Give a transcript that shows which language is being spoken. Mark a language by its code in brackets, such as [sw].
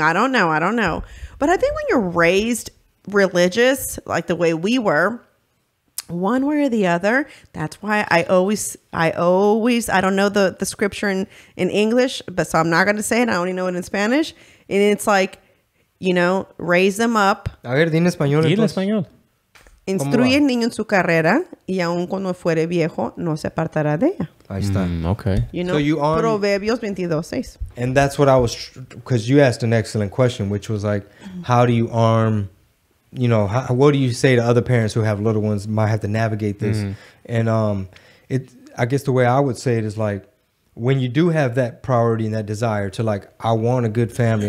[en] I don't know. But I think when you're raised religious, like the way we were, one way or the other, that's why I always, I don't know the scripture in English, but so I'm not going to say it. I only know it in Spanish. And it's like, you know, raise them up. [es] A ver, dile en español. Dile en español. Instruye el niño en su carrera, y aun cuando fuere viejo, no se apartará de ella. Ahí está. [en] Okay. You know, so you on, Proverbios 22:6. And that's what I was, because you asked an excellent question, which was like, how do you arm, you know, how, what do you say to other parents who have little ones, might have to navigate this? Mm. And it, I guess the way I would say it is like, when you do have that priority and that desire to like, I want a good family.